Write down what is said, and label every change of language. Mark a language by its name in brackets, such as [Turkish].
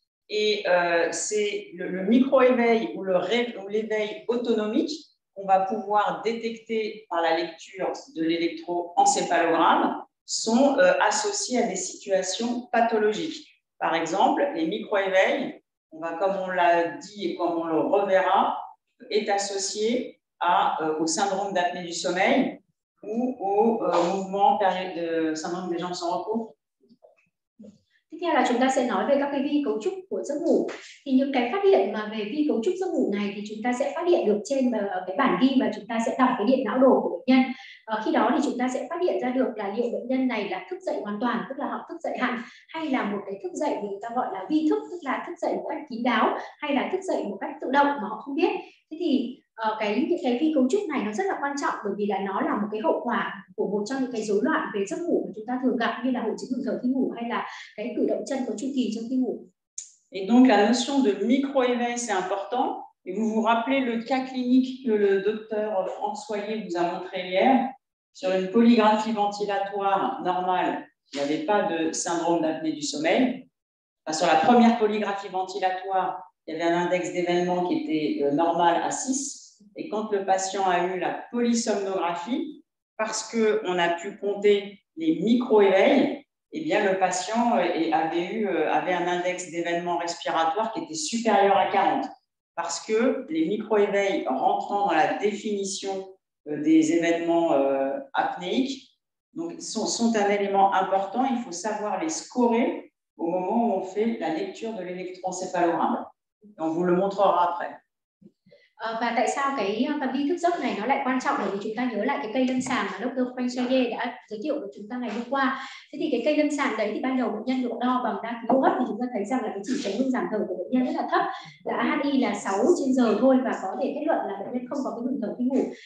[French] Et c'est le micro-éveil ou l'éveil autonomique qu'on va pouvoir détecter par la lecture de l'électroencéphalogramme sont associés à des situations pathologiques. Par exemple, les micro-éveils, on va, comme on l'a dit et comme on le reverra, est associé au syndrome d'apnée du sommeil ou au mouvement de syndrome des jambes sans repos. [Vietnamese] Tiếp theo là chúng ta sẽ nói về các cái vi cấu trúc của giấc ngủ. Thì những cái phát hiện mà về vi cấu trúc giấc ngủ này thì chúng ta sẽ phát hiện được trên cái bản ghi mà chúng ta sẽ đọc cái điện não đồ của bệnh nhân. Khi đó thì chúng ta sẽ phát hiện ra được là liệu bệnh nhân này là thức dậy hoàn toàn, tức là họ thức dậy hẳn, hay là một cái thức dậy người ta gọi là vi thức, tức là thức dậy một cách kín đáo, hay là thức dậy một cách tự động mà họ không biết. Thế thì cái vi cấu trúc này nó rất là quan trọng, bởi vì là nó là một cái hậu quả của một trong những cái rối loạn về giấc ngủ mà chúng ta thường gặp, như là hội chứng ngừng thở khi ngủ hay là cái cử động chân có chu kỳ trong khi ngủ. [French] Et donc la notion de micro-éveil c'est important, et vous vous rappelez le cas clinique que le docteur François vous a montré hier sur une polygraphie ventilatoire normale, il n'y avait pas de syndrome d'apnée du sommeil. Enfin, sur la première polygraphie ventilatoire, il y avait un index d'événement qui était normal à 6. Et quand le patient a eu la polysomnographie, parce qu'on a pu compter les micro-éveils, eh bien le patient avait un index d'événement respiratoire qui était supérieur à 40. Parce que les micro-éveils rentrant dans la définition des événements apnéiques donc sont un élément important. Il faut savoir les scorer au moment où on fait la lecture de l'électroencéphalogramme. On vous le montrera après. [Vietnamese] Và tại sao cái vi thức giấc này nó lại quan trọng, bởi vì chúng ta nhớ lại cái cây lâm sàng mà Dr. Frank Chaye đã giới thiệu với chúng ta ngày hôm qua. Thế thì cái cây lâm sàng đấy thì ban đầu bệnh nhân được đo bằng đa ký hô hấp, thì chúng ta thấy rằng là cái chỉ số ngừng giảm thở của bệnh nhân rất là thấp, là AHI là 6 trên giờ thôi, và có thể kết luận là bệnh nhân không có cái ngừng thở khi ngủ.